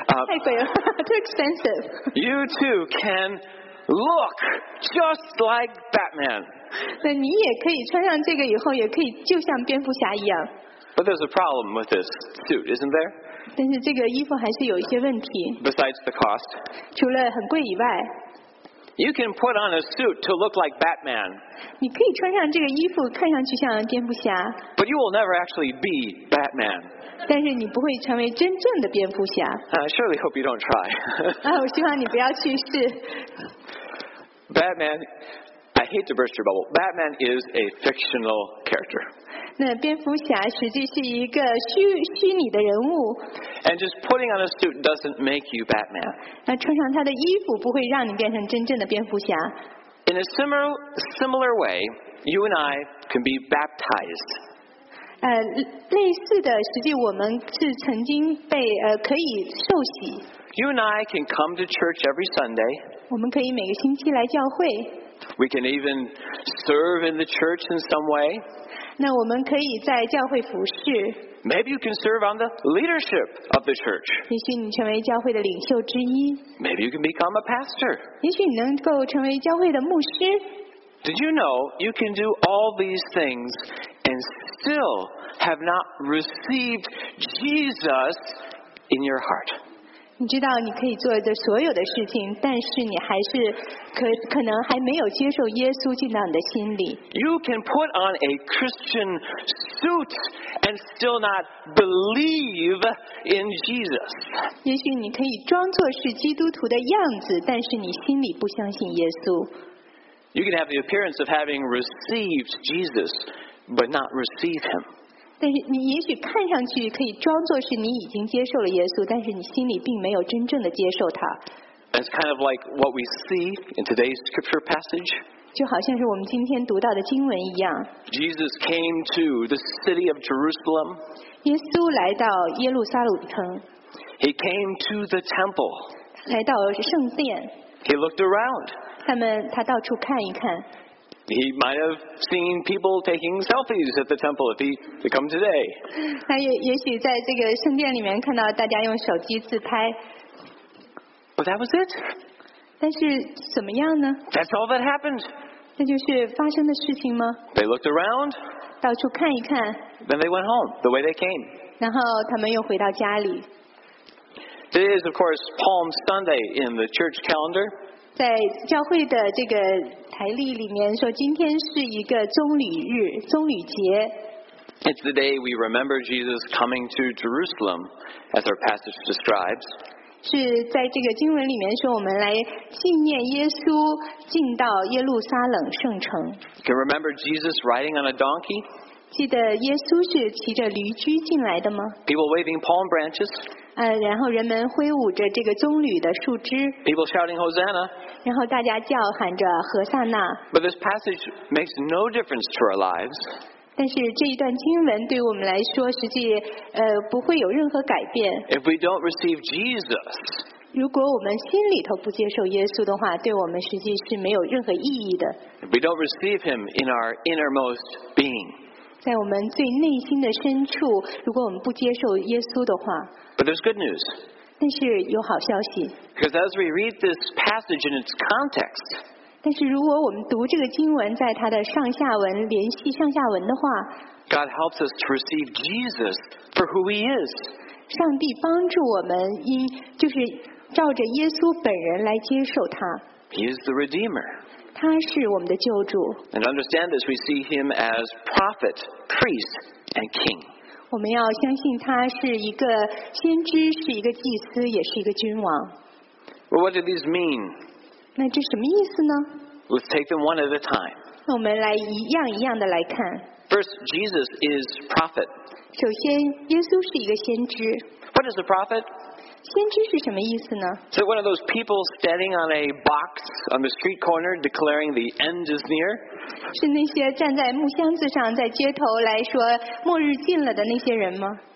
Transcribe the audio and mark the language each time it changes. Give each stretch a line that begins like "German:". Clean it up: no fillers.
Chinese: 太贵了，
English: too expensive. You too can look just like Batman.
Chinese: 那你也可以穿上这个以后，也可以就像蝙蝠侠一样。
English: But there's a problem with this suit, isn't there?
Chinese: 但是这个衣服还是有一些问题。
English: Besides the cost.
Chinese: 除了很贵以外。
English: You can put on a suit to look like Batman.
Chinese: 你可以穿上这个衣服，看上去像蝙蝠侠。
English: But you will never actually be Batman.
Chinese: 但是你不会成为真正的蝙蝠侠。
English: I surely hope you don't try.
Chinese: 我希望你不要去试。
English: Batman, I hate to burst your bubble. Batman is a fictional character.
Chinese: 那蝙蝠侠实际是一个 虚拟的人物。
English: And just putting on a suit doesn't make you Batman.
Chinese: 那穿上他的衣服不会让你变成真正的蝙蝠侠。
English: In a similar way, you and I can be baptized.
Chinese: 类似的，实际我们是曾经被可以受洗。
English: You and I can come to church every Sunday.
Chinese: 我们可以每个星期来教会。
English: We can even serve in the church in some way.
Chinese: 那我们可以在教会服事。
English: Maybe you can serve on the leadership of the church.
Chinese: 也许你成为教会的领袖之一。
English: Maybe you can become a pastor.
Chinese: 也许你能够成为教会的牧师。
English: Did you know you can do all these things and still have not received Jesus in your heart?
Chinese: 你知道你可以做的所有的事情，但是你还是。可能还没有接受耶稣进到你的心里。
English: You can put on a Christian suit and still not believe in Jesus.
Chinese: 也许你可以装作是基督徒的样子，但是你心里不相信耶稣。
English: You can have the appearance of having received Jesus, but not receive him.
Chinese: 但是你也许看上去可以装作是你已经接受了耶稣，但是你心里并没有真正的接受他。
English: It's kind of like what we see in today's scripture passage.
Chinese: 就好像是我们今天读到的经文一样。
English: Jesus came to the city of Jerusalem.
Chinese: 耶稣来到耶路撒冷城。
English: He came to the temple.
Chinese: 来到圣殿。
English: He looked around.
Chinese: 他到处看一看。
English: He might have seen people taking selfies at the temple if he had come today.
Chinese: 他也许在这个圣殿里面看到大家用手机自拍。
English: But that was it.
Chinese: 但是怎么样呢？
English: That's all that happened.
Chinese: 那就是发生的事情吗？
English: They looked around.
Chinese: 到处看一看。
English: Then they went home the way they came.
Chinese: 然后他们又回到家里。
English: It is, of course, Palm Sunday in the church calendar.
Chinese: 在教会的这个台历里面说，今天是一个棕榈日，棕榈节。
English: It's the day we remember Jesus coming to Jerusalem, as our passage describes.
Chinese: 是在这个经文里面说，我们来纪念耶稣进到耶路撒冷圣城。
English: Can remember Jesus riding on a donkey?
Chinese: 记得耶稣是骑着驴驹进来的吗
English: ？People waving palm branches.
Chinese: 然后人们挥舞着这个棕榈的树枝。
English: People shouting Hosanna.
Chinese: 然后大家叫喊着何塞纳。
English: But this passage makes no difference to our lives.
Chinese: 但是这一段经文对我们来说，实际不会有任何改变。
English: If we don't receive Jesus,
Chinese: 如果我们心里头不接受耶稣的话，对我们实际是没有任何意义的。
English: If we don't receive him in our innermost being,
Chinese: 在我们最内心的深处，如果我们不接受耶稣的话。
English: But there's good news.
Chinese: 但是有好消息。
English: Because as we read this passage in its context.
Chinese: 但是如果我们读这个经文在它的上下文联系上下文的话
English: God helps us to receive Jesus for who he is
Chinese: 上帝帮助我们因就是照着耶稣本人来接受他
English: He is the Redeemer
Chinese: 他是我们的救主
English: And understand this we see him as prophet, priest and king
Chinese: 我们要相信他是一个先知是一个祭司也是一个君王
English: Well, what do these mean?
Chinese: 那这什么意思呢
English: Let's take them one at a time.
Chinese: 那我们来一样一样的来看。
English: First, Jesus is prophet.
Chinese: 首先，耶稣是一个先知。
English: What is a prophet?
Chinese: 先知是什么意思呢
English: So one of those people standing on a box on the street corner declaring the end is near?
Chinese: 是那些站在木箱子上在街头来说末日近了的那些人吗